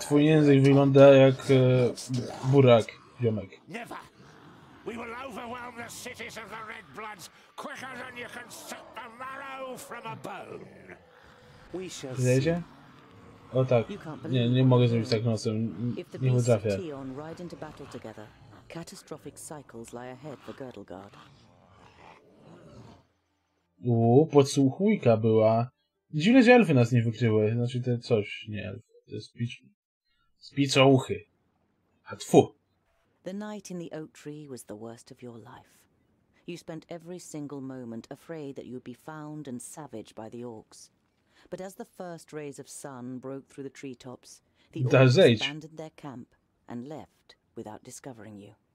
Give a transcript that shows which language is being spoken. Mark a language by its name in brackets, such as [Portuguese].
[Polish] Twój język wygląda jak burak, ziomek. [English] Never! We will overwhelm the cities of the Red Bloods quicker than you can suck the marrow from a bone. We shall see. [Polish] O tak, nie, nie mogę zrobić tak nosem, nie potrafię. [English] Tion ride into battle together. Catastrophic cycles lie ahead for Girdleguard. [Polish] Uuu, podsłuchujka była. Dziwne, że elfy nas nie wykryły. Znaczy te coś, nie elfy, to jest spicouchy. A tfu! [English] The night in the oak tree was the worst of your life. You spent every single moment afraid that you'd be found and savaged by the orcs. But as the first rays of sun broke through the treetops, the orcs abandoned their camp and left without discovering you.